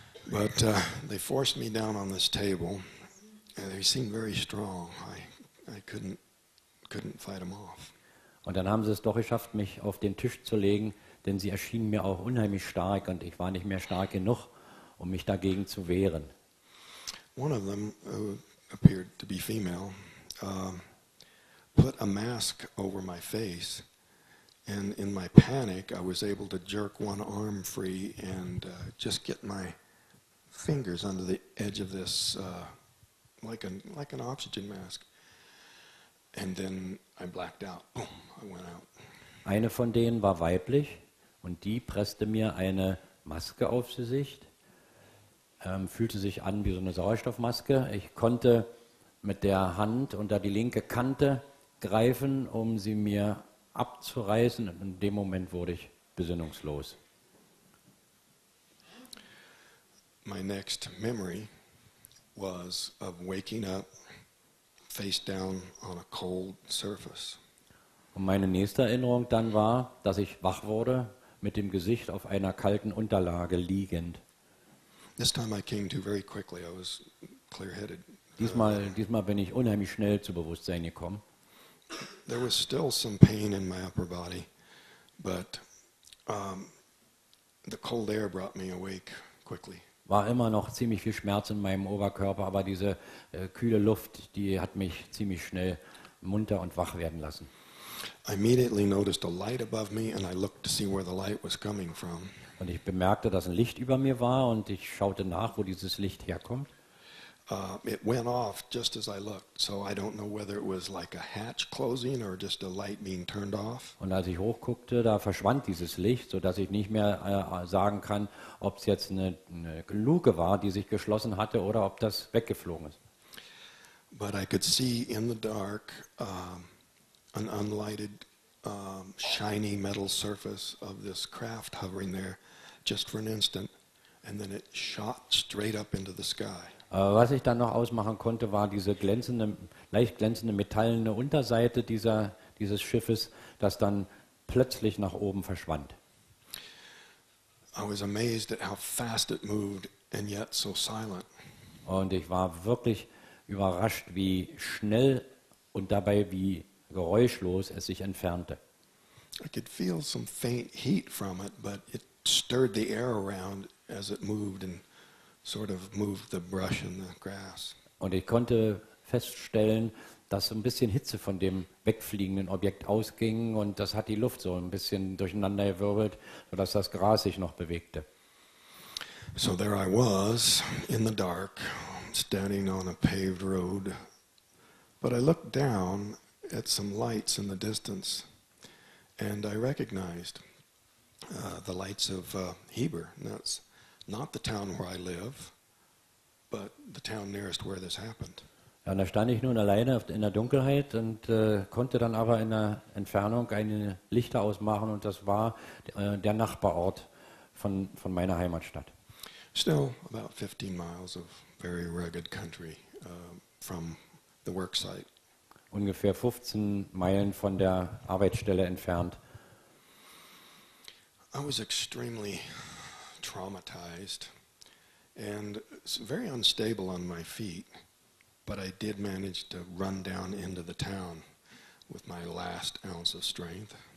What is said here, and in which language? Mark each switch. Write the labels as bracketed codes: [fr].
[en] But they forced me down on this table. And they seemed very strong. I couldn't fight them off. [de] Und dann haben sie es doch geschafft, mich auf den Tisch zu legen, denn sie erschienen mir auch unheimlich stark und ich war nicht mehr stark genug, um mich dagegen zu wehren. [en] One of them, appeared to be female, put a mask over my face, and in my panic I was able to jerk one arm free and just get my fingers under the edge of this like an oxygen mask, and then I blacked out. Boom, I went out. [de] Eine von denen war weiblich und die presste mir eine Maske aufs Gesicht, fühlte sich an wie so eine Sauerstoffmaske. Ich konnte mit der Hand unter die linke Kante greifen, um sie mir abzureißen. In dem Moment wurde ich besinnungslos. [en] My next memory was of waking up face down on a cold surface. [de] Und meine nächste Erinnerung dann war, dass ich wach wurde mit dem Gesicht auf einer kalten Unterlage liegend. [en] This time I came to very quickly. I was clear-headed. [de] Diesmal bin ich unheimlich schnell zu Bewusstsein gekommen. [en] There was still some pain in my upper body, but the cold air brought me awake quickly. [de] War immer noch ziemlich viel Schmerz in meinem Oberkörper, aber diese kühle Luft, die hat mich ziemlich schnell munter und wach werden lassen. [en] I immediately noticed a light above me and I looked to see where the light was coming from. [de] Und ich bemerkte, dass ein Licht über mir war und ich schaute nach, wo dieses Licht herkommt. [en] It went off just as I looked, so I don't know whether it was like a hatch closing or just a light being turned off. [de] Und als ich hochguckte, da verschwand dieses Licht, so dass ich nicht mehr sagen kann, ob es jetzt eine Luke war, die sich geschlossen hatte, oder ob das weggeflogen ist. [en] But I could see in the dark an unlighted, shiny metal surface of this craft hovering there, just for an instant, and then it shot straight up into the sky. [de] Was ich dann noch ausmachen konnte, war diese glänzende, leicht glänzende metallene Unterseite dieses Schiffes, das dann plötzlich nach oben verschwand. [en] I was amazed at how fast it moved and yet so silent. [de] Und ich war wirklich überrascht, wie schnell und dabei wie geräuschlos es sich entfernte. [en] I could feel some faint heat from it, but it stirred the air around as it moved and sort of moved the brush and the grass. [de] Und ich konnte feststellen, dass ein bisschen Hitze von dem wegfliegenden Objekt ausging und das hat die Luft so ein bisschen durcheinander gewirbelt, sodass das Gras sich noch bewegte. [en] So there I was in the dark, standing on a paved road, but I looked down at some lights in the distance and I recognized the lights of Heber. That's not the town where I live, but the town nearest where this happened. [de] Ja, da stand ich nun alleine in der Dunkelheit und konnte dann aber in der Entfernung eine Lichter ausmachen und das war der Nachbarort von meiner Heimatstadt. [en] Still about 15 miles of very rugged country from the work site. [de] Ungefähr 15 Meilen von der Arbeitsstelle entfernt. [en] I was extremely traumatized and very unstable on my feet, but I did manage to run down into the town with my last ounce of strength.